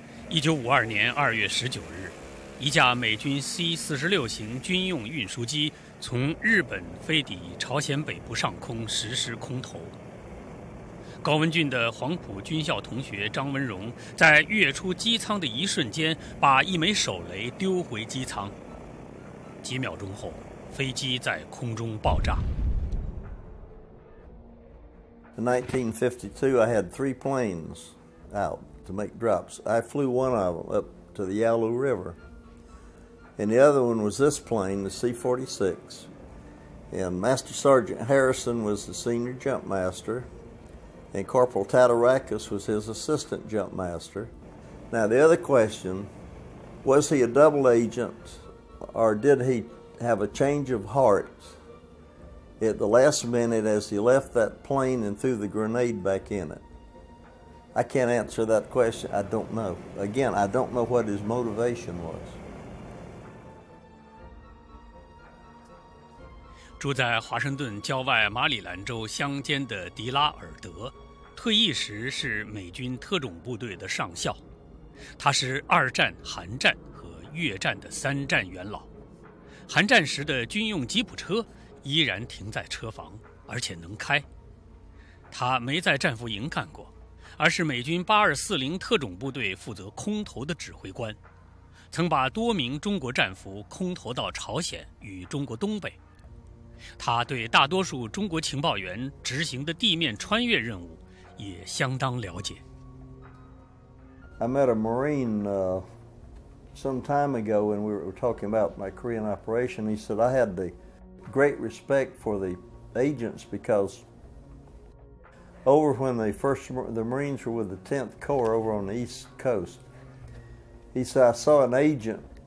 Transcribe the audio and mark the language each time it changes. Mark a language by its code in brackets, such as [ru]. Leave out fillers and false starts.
[zh] 1952年2月19日，一架美军 C-46 型军用运输机从日本飞抵朝鲜北部上空实施空投。高文俊的黄埔军校同学张文荣在跃出机舱的一瞬间，把一枚手雷丢回机舱。几秒钟后，飞机在空中爆炸。 [en] In 1952, I had 3 planes out to make drops. I flew one of them up to the Yalu River. And the other one was this plane, the C-46. And Master Sergeant Harrison was the senior jump master, and Corporal Tatarakis was his assistant jump master. Now the other question, was he a double agent, or did he have a change of heart at the last minute as he left that plane and threw the grenade back in it? I can't answer that question. I don't know. Again, I don't know what his motivation was. [zh] 住在华盛顿郊外马里兰州乡间的迪拉尔德，退役时是美军特种部队的上校，他是二战、韩战和越战的三战元老。韩战时的军用吉普车依然停在车房，而且能开。他没在战俘营干过，而是美军8240特种部队负责空投的指挥官，曾把多名中国战俘空投到朝鲜与中国东北。他对大多数中国情报员执行的地面穿越任务也相当了解。 [en] I met a Marine some time ago when we were talking about my Korean operation. He said I had the great respect for the agents because over when the Marines were with the 10th Corps over on the East Coast, he said I saw an agent.